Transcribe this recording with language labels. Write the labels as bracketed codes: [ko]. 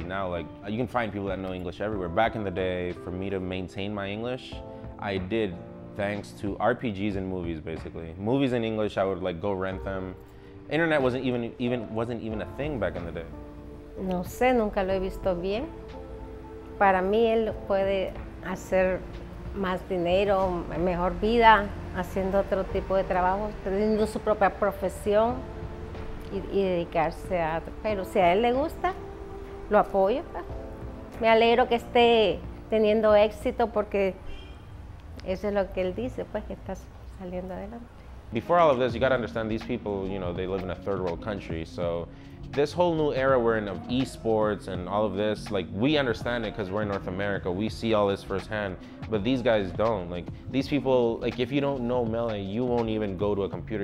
[en] Now, like, you can find people that know English everywhere. Back in the day, for me to maintain my English, I did thanks to RPGs and movies, basically. Movies in English, I would like go rent them. Internet wasn't even a thing back in the day. [es] No sé, nunca lo he visto bien. Para mí, él puede hacer más dinero, mejor vida, haciendo otro tipo de trabajo, teniendo su propia profesión y dedicarse a... Pero si a él le gusta, lo apoyo. Me alegro que esté teniendo éxito porque eso es lo que él dice, pues, que está saliendo adelante. [en] Before all of this, you gotta understand these people, you know, they live in a third world country. So this whole new era we're in of esports and all of this, like we understand it because we're in North America. We see all this firsthand, but these guys don't. Like these people, like if you don't know Melee, you won't even go to a computer.